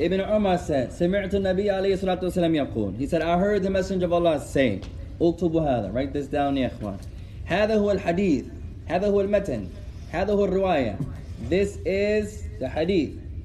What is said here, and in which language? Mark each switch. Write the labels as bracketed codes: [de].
[en] Ibn Umar said, [ar] سمعت النبي عليه الصلاة والسلام يقول. [en] He said, I heard the Messenger of Allah say, [ar] اكتبوا هذا. [en] Write this down, يا اخوان. [ar] هذا هو الحديث هذا هو المتن هذا هو الرواية [en] This is the hadith.